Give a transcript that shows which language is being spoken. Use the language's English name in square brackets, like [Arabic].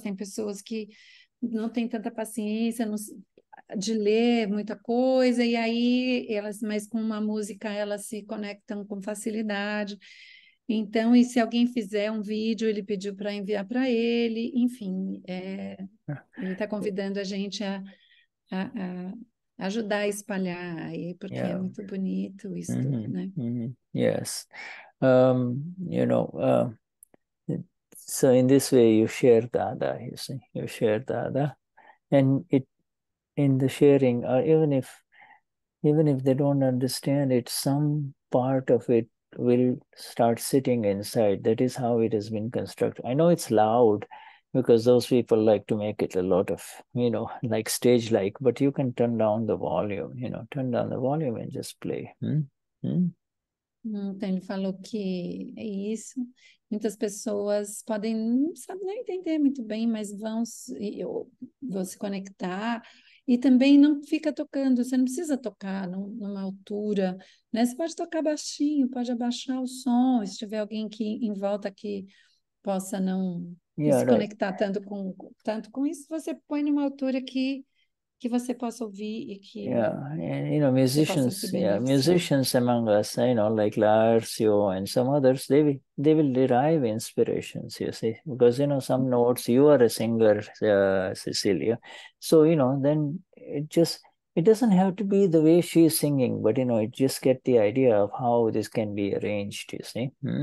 [Portuguese] Tem pessoas que não têm tanta paciência de ler muita coisa, e aí elas, mas com uma música, elas se conectam com facilidade. Então, e se alguém fizer um vídeo, ele pediu para enviar para ele, enfim, ele está convidando a gente a ajudar a espalhar aí, porque yeah. é muito bonito isso, mm-hmm. né? [English] Mm-hmm. Yes. You know, so in this way you share Dada, you see, you share Dada. And it, in the sharing, even if, even if they don't understand it, some part of it will start sitting inside. That is how it has been constructed. I know it's loud because those people like to make it a lot of, you know, like stage-like, but you can turn down the volume, you know, turn down the volume and just play. [Portuguese] Então, ele falou que é isso. Muitas pessoas podem, sabe, não entender muito bem, mas vão se conectar. E também não fica tocando, você não precisa tocar numa altura, né? Você pode tocar baixinho, pode abaixar o som, se tiver alguém que, em volta que possa não se conectar tanto com isso, você põe numa altura que você possa ouvir e que... [English] Yeah, you know, musicians among us, you know, like Larcio and some others, they will derive inspirations, you see, because, you know, some notes, you are a singer, Cecilia, so, you know, then it doesn't have to be the way she is singing, but, you know, it just get the idea of how this can be arranged, you see.